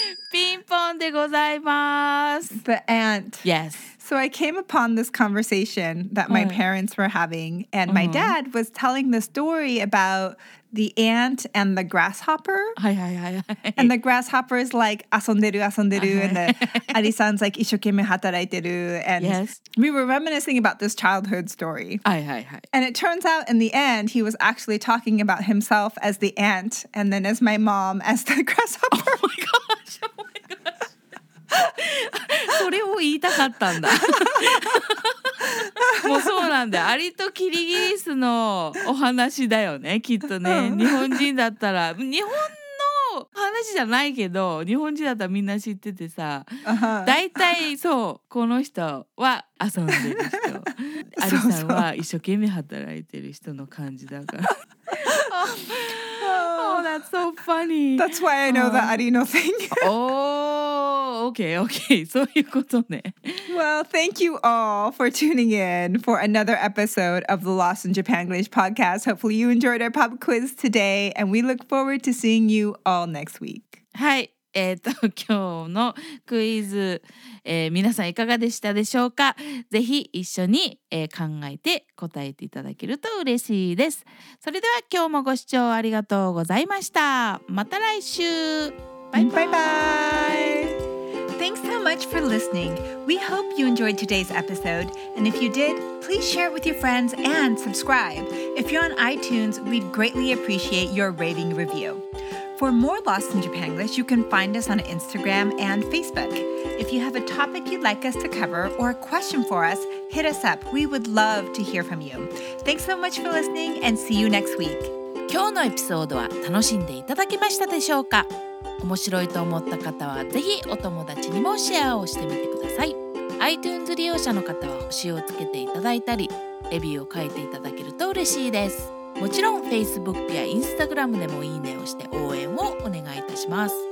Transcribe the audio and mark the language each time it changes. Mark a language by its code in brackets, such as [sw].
[ja] ピンポン でございます! [en] The ant. Yes. So I came upon this conversation that my parents were having, and my dad was telling the story about the ant and the grasshopper. And the grasshopper is like, [ja] 遊んでる, [en] and the アリさん's like, [ja] 一生懸命働いてる. [en] And we were reminiscing about this childhood story. And it turns out in the end, he was actually talking about himself as the ant, and then as my mom, as the grasshopper. Oh my gosh, oh my gosh. [ja] それを言いたかったんだ。もうそうなんだ。アリとキリギリスのお話だよね、きっとね。日本人だったら、日本の話じゃないけど、日本人だったらみんな知っててさ、だいたいそう、この人は遊んでる人、アリさんは一生懸命働いてる人の感じだから。 [en] Oh, that's so funny. That's why I know the Arino thing. Oh, okay, okay. [ja] そういうことね。 [en] Well, thank you all for tuning in for another episode of the Lost in Japanglish podcast. Hopefully you enjoyed our pop quiz today, and we look forward to seeing you all next week. [ja] はい、今日のクイズ、皆さんいかがでしたでしょうか？ぜひ一緒に、考えて答えていただけると嬉しいです。それでは今日もご視聴ありがとうございました。また来週。バイバイ。バイバイ。 [en] Thanks so much for listening. We hope you enjoyed today's episode. And if you did, please share it with your friends and subscribe. If you're on iTunes, we'd greatly appreciate your rating review. For more Lost in Japanglish, you can find us on Instagram and Facebook. If you have a topic you'd like us to cover or a question for us, hit us up. We would love to hear from you. Thanks so much for listening and see you next week. [ja] 今日のエピソードは楽しんでいただけましたでしょうか？面白いと思った方はぜひお友達にもシェアをしてみてください。 iTunes 利用者の方は星をつけていただいたり、レビューを書いていただけると嬉しいです。もちろん Facebook や Instagram でもいいねをして応援をお願いいたします。